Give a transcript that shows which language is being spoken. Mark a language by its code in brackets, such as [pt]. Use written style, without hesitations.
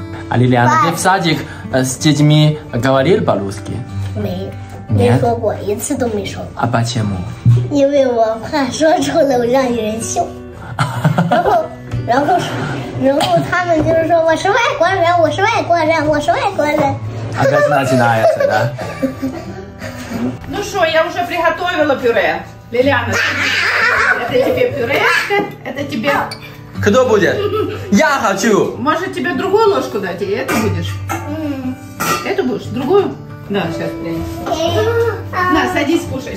[ru] А Лилиана, ты в садик с детьми говорил по-русски? Нет. [zh] Не说过, 一次都没说过. [ru] А почему? [zh] 因为我怕说出来我让人笑.然后他们就是说我是外国人, 我是外国人, 我是外国人. [ru] А как начинается, да? Ну что, я уже приготовила пюре. Лилиана, это тебе пюре, это тебе... Кто будет? Я хочу! Может, тебе другую ложку дать, и это будешь? Это будешь? Другую? Да, сейчас принесу. На, садись, кушай.